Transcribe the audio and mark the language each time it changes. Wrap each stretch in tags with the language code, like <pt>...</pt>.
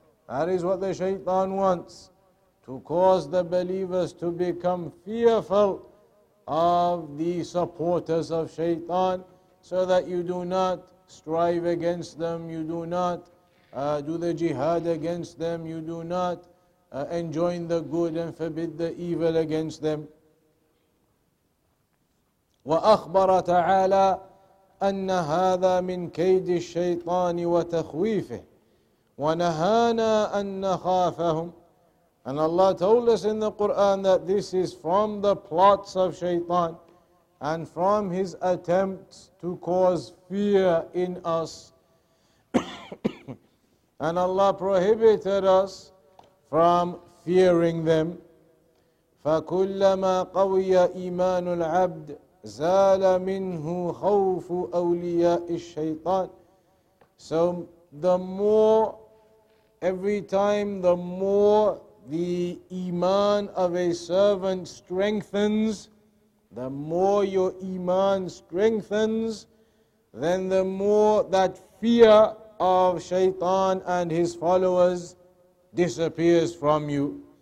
<en>That is what the shaitan wants, to cause the believers to become fearful of the supporters of shaitan, so that you do not strive against them, you do not do the jihad against them, you do not enjoin the good and forbid the evil against them.</en> <ar>وأخبر تعالى أن هذا من كيد الشيطان وتخويفه ونهانا أن نخافهم.</ar> <en>And Allah told us in the Quran that this is from the plots of Shaitan and from his attempts to cause fear in us. And Allah prohibited us from fearing them.</en> <ar>فكلما قوي إيمان العبد زال منه خوف أولياء الشيطان.</ar> <en>So the more the iman of a servant strengthens, the more your iman strengthens, then the more that fear of Shaitan and his followers disappears from you.</en>